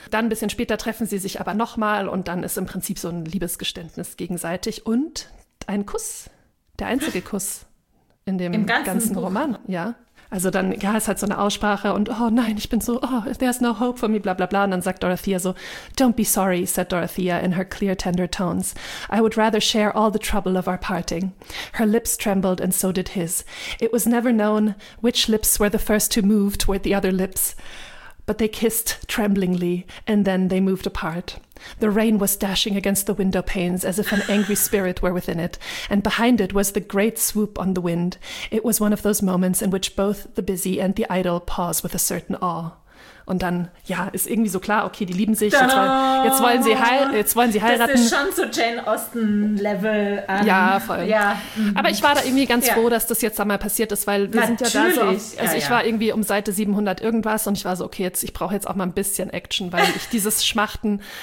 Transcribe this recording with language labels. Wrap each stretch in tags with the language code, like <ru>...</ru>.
<de>Dann ein bisschen später treffen sie sich aber nochmal, und dann ist im Prinzip so ein Liebesgeständnis gegenseitig und ein Kuss, der einzige Kuss in dem ganzen Roman. Ja. Also dann, ja, es ist halt so eine Aussprache und, oh nein, ich bin so, oh,</de> <en>there's no hope for me,</en> <de>bla bla bla. Und dann sagt Dorothea so,</de> <en>don't be sorry, said Dorothea in her clear, tender tones. I would rather share all the trouble of our parting. Her lips trembled and so did his. It was never known which lips were the first to move toward the other lips. But they kissed tremblingly, and then they moved apart. The rain was dashing against the window panes as if an angry spirit were within it, and behind it was the great swoop on the wind. It was one of those moments in which both the busy and the idle pause with a certain awe.</en> <de>Und dann, ja, ist irgendwie so klar, okay, die lieben sich, jetzt wollen sie heiraten. Das ist schon so Jane Austen-Level. Ja, voll. Ja. Aber ich war da irgendwie ganz froh, dass das jetzt da mal passiert ist, weil wir natürlich sind ja da so, ich war irgendwie um Seite 700 irgendwas und ich war so, okay, ich brauche jetzt auch mal ein bisschen Action, weil ich dieses Schmachten.</de>